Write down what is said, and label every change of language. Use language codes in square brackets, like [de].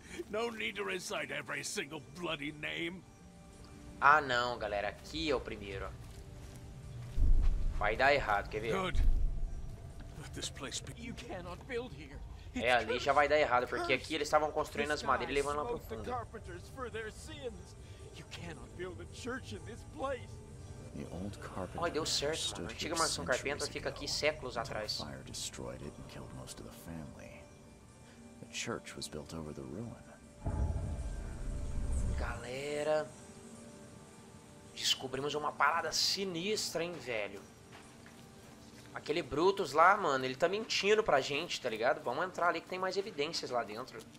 [en] No need to recite every single bloody name. [pt] Ah, não, galera, aqui é o primeiro. Vai dar errado, quer ver? [en] Good. Let this place be. You cannot build here. [pt] É, ali já vai dar errado, porque aqui eles estavam construindo as madeiras e levando lá pro fundo. [en] Carpenters for their sins. You cannot build a church in this place. The old carpenter. [pt] Oh, deu certo, mano. A antiga mansão carpenter fica aqui séculos atrás. [en] Fire destroyed it and killed most of the family. A church was built over the ruin. [pt] Galera, descobrimos uma parada sinistra, hein, velho. Aquele Brutus lá, mano, ele tá mentindo pra gente, tá ligado? Vamos entrar ali que tem mais evidências lá dentro.